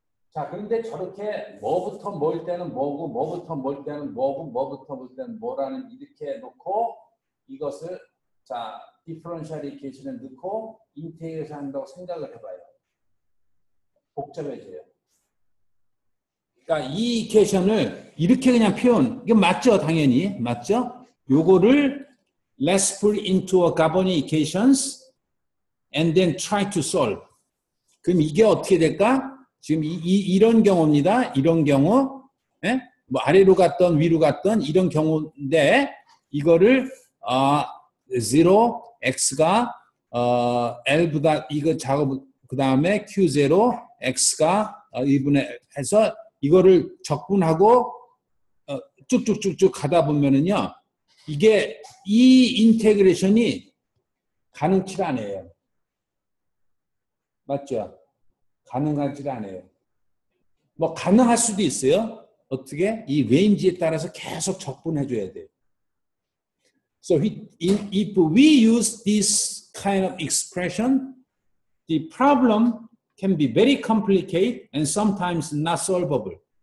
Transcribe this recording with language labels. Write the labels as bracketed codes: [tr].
[ko] 자, 그런데 저렇게 뭐부터 뭘 때는 뭐고 뭐부터 뭘 때는 뭐고 뭐부터 뭘 때는 뭐라는 이렇게 놓고 이것을 자 디퍼런셜 이퀘이션에 넣고 인테그레이션 한다고 생각을 해봐요. 복잡해져요. 그러니까 이 이퀘이션을 이렇게 그냥 표현 이게 맞죠? 당연히 맞죠? [en] 요거를 Let's put into a Gabon equations and then try to solve. [ko] 그럼 이게 어떻게 될까? 지금 이런 경우입니다. 이런 경우, 예? 뭐 아래로 갔던 위로 갔던 이런 경우인데 이거를 0, x가 l보다 이거 작업 그 다음에 q0, x가 1분의 해서 이거를 적분하고 쭉쭉쭉쭉 가다 보면은요 이게 이 인테그레이션이 가능치 않아요. 맞죠? 가능하지 않아요. 뭐 가능할 수도 있어요. 어떻게? 이 레인지에 따라서 계속 적분해 줘야 돼요. [en] So if we use this kind of expression, the problem can be very complicated and sometimes not solvable.